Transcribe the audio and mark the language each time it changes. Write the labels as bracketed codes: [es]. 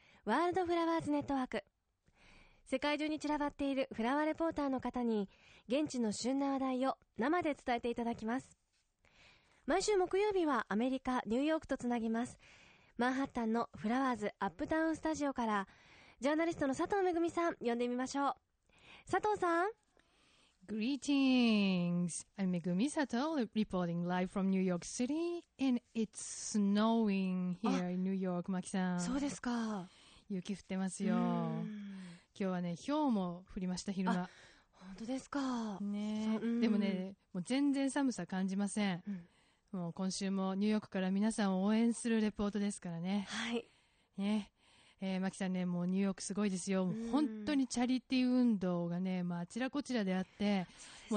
[ja] ワールドフラワーズネットワーク。世界中に散らばっているフラワーレポーターの方に現地の旬な話題を生で伝えていただきます。毎週木曜日はアメリカ・ニューヨークとつなぎます。マンハッタンのフラワーズアップタウンスタジオからジャーナリストの佐藤めぐみさん呼んでみましょう。佐藤さん。 [en] Greetings. I'm Megumi Sato, reporting live from New York City, and it's snowing here in New York, Maki さん。 [ja] そうですか。雪降ってますよ。今日はね、氷も降りました、昼間。本当ですか。ね、でもね、もう全然寒さ感じません。もう今週もニューヨークから皆さんを応援するレポートですからね。はい。ね。マキさんね、もうニューヨークすごいですよ。本当にチャリティ運動がね、まあ、あちらこちらであって、も